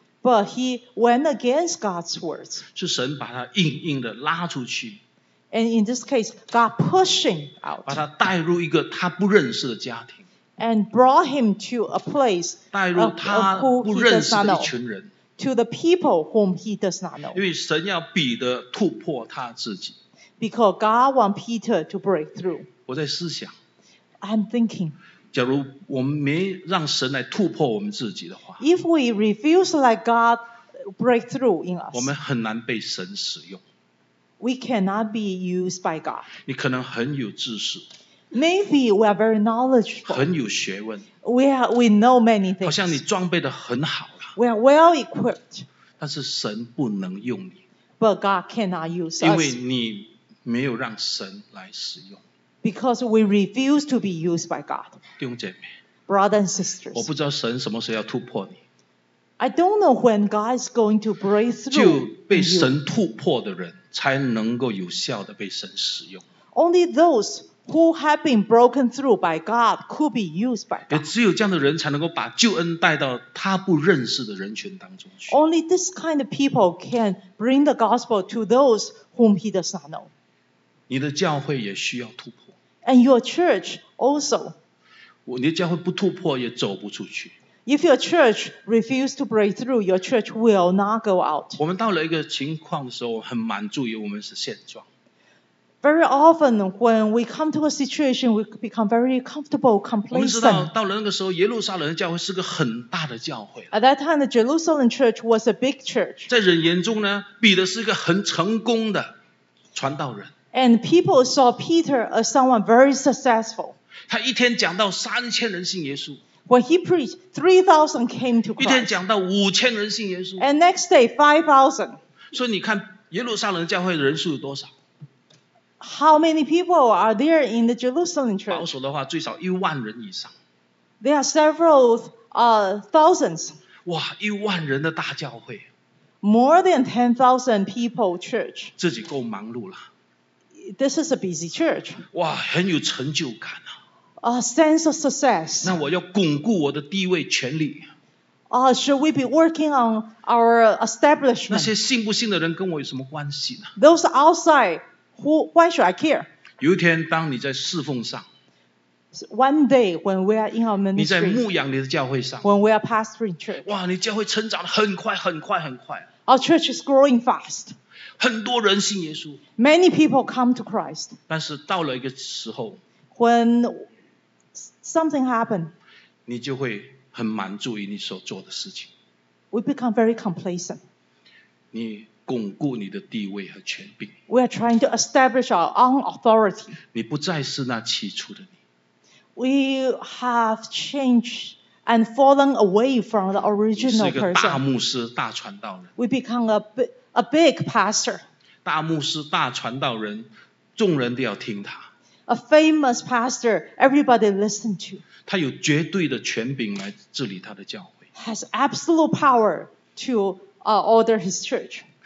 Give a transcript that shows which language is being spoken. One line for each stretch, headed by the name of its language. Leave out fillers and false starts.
English: But he went against God's words.
Chinese: 是神把他硬硬的拉出去。
English: And in this case, God pushing out.
Chinese: 把他带入一个他不认识的家庭。
English: And brought him to a place.
Chinese: 带入他不认识的一群人。
English: To the people whom he does not know.
Chinese: 因为神要彼得突破他自己。
English: Because God wants Peter to break through.
Chinese: 我在思想。
English: I'm thinking.
Chinese: 假如我们没让神来突破我们自己的话。
English: If we refuse to let God break through in us.
Chinese: 我们很难被神使用。
English: We cannot be used by God.
Chinese: 你可能很有知识。
English: Maybe we are very knowledgeable.
Chinese: 很有学问。
English: We know many things.
Chinese: 好像你装备得很好了。
English: We are well equipped.
Chinese: 但是神不能用你。
English: But God cannot use us.
Chinese: 因为你没有让神来使用。
English: Because we refuse to be used by God.
Chinese: 弟兄姐妹。
English: Brothers and sisters.
Chinese: 我不知道神什么时候要突破你。
English: I don't know when God is going to break through.
Chinese: 就被神突破的人才能够有效地被神使用。
English: Only those who have been broken through by God could be used by God.
Chinese: 也只有这样的人才能够把救恩带到他不认识的人群当中去。
English: Only this kind of people can bring the gospel to those whom he does not know.
Chinese: 你的教会也需要突破。
English: And your church also.
Chinese: 你的教会不突破也走不出去。
English: If your church refuses to break through, your church will not go out.
Chinese: 我们到了一个情况的时候，很满足于我们是现状。
English: Very often when we come to a situation, we become very comfortable, complacent.
Chinese: 我们知道到了那个时候，耶路撒冷的教会是个很大的教会。
English: At that time, the Jerusalem church was a big church.
Chinese: 在人眼中呢，彼得是一个很成功的传道人。
English: And people saw Peter as someone very successful.
Chinese: 他一天讲到三千人信耶稣。
English: When he preached, 3,000 came to Christ.
Chinese: 一天讲到五千人信耶稣。
English: And next day, 5,000.
Chinese: 所以你看耶路撒冷教会的人数有多少？
English: How many people are there in the Jerusalem church?
Chinese: 保守的话，最少一万人以上。
English: There are several thousands.
Chinese: 哇，一万人的大教会。
English: More than 10,000 people church.
Chinese: 自己够忙碌了。
English: This is a busy church.
Chinese: 哇，很有成就感啊。
English: A sense of success.
Chinese: 那我要巩固我的地位权力。
English: Should we be working on our establishment?
Chinese: 那些信不信的人跟我有什么关系呢？
English: Those outside, why should I care?
Chinese: 有一天当你在侍奉上，
English: One day when we are in our ministry,
Chinese: 你在牧养你的教会上，
English: When we are pastoring church,
Chinese: 哇，你教会成长得很快很快很快。
English: Our church is growing fast.
Chinese: 很多人信耶稣，
English: Many people come to Christ.
Chinese: 但是到了一个时候，
English: When something happened,
Chinese: 你就会很满足于你所做的事情。
English: We become very complacent.
Chinese: 你巩固你的地位和权柄。
English: We are trying to establish our own authority.
Chinese: 你不再是那起初的你。
English: We have changed and fallen away from the original person.
Chinese: 是一个大牧师、大传道人。
English: We become a big pastor.
Chinese: 大牧师、大传道人，众人都要听他。
English: A famous pastor, everybody listen to.
Chinese: 他有绝对的权柄来治理他的教会。
English: Has absolute power to order his church.